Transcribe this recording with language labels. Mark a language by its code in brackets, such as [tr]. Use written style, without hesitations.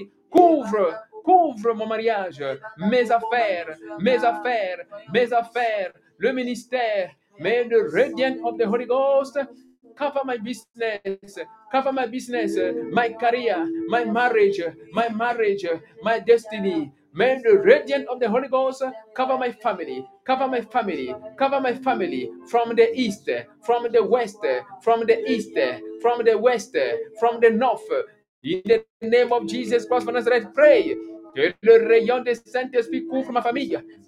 [fr] couvre, mon mariage, mes affaires, le ministère, mais le rayon [en] of the Holy Ghost cover my business, my career, my marriage, my destiny. May the radiant of the Holy Ghost cover my family, from the east, from the west, from the west, from the north. In the name of Jesus Christ of Nazareth, pray. [fr] Que le rayon du Saint-Esprit couvre ma famille.